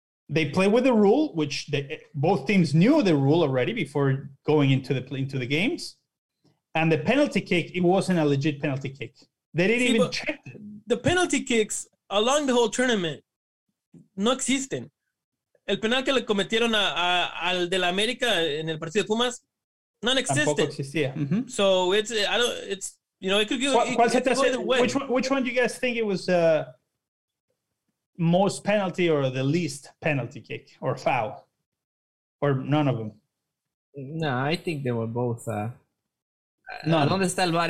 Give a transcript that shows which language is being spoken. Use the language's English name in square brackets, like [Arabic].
[English] They play with the rule, which both teams knew the rule already before going into the games. And the penalty kick, it wasn't a legit penalty kick. They didn't even check it. The penalty kicks along the whole tournament [Spanish] no existen. El penal que le cometieron al de la América en el partido de Pumas no existe. Tampoco existía. Mm-hmm. [English] So it's you know, it could be which one do you guys think it was the most penalty or the least penalty kick or foul or none of them? No, I think they were both No, [Spanish] ¿dónde está el VAR?